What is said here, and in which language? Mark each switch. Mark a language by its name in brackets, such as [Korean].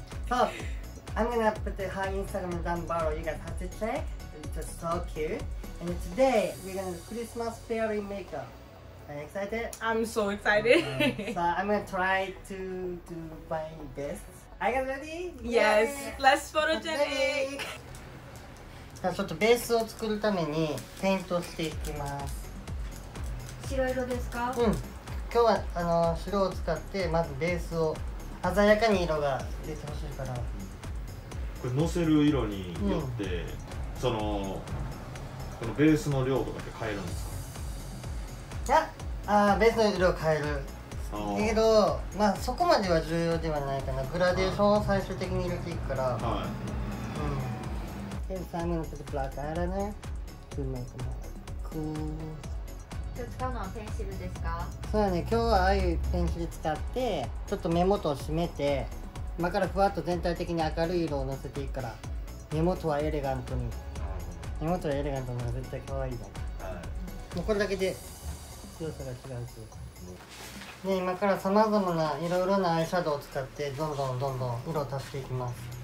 [English] So, I'm gonna put her Instagram down below. You guys have to check. It's just so cute. And today, we're gonna do Christmas fairy makeup. Are you excited? I'm so excited. Okay. So, I'm gonna try to do my best. Are you ready? Yes, yay! Let's photogenic. [Japanese] ちょっとベースを作るためにペイントしていきます。白色ですか？うん、今日はあの白を使ってまずベースを鮮やかに色が出てほしいから、これのせる色によって、うん、そのこのベースの量とかって変えるんですか？いや、あーベースの色を変えるけど、まあそこまでは重要ではないかな。グラデーションを最終的に入れていくから、はい、うん。 [English] Okay, so I'm going to put the black eyeliner to make my cool. [Japanese] 今日使うのはペンシルですか？そうだね、今日はああいうペンシル使ってちょっと目元を締めて、今からふわっと全体的に明るい色をのせていくから、目元はエレガントに、目元はエレガントに絶対可愛いだ、はい、もうこれだけで強さが違うし、で今からさまざまな色々なアイシャドウを使ってどんどん色を足していきます。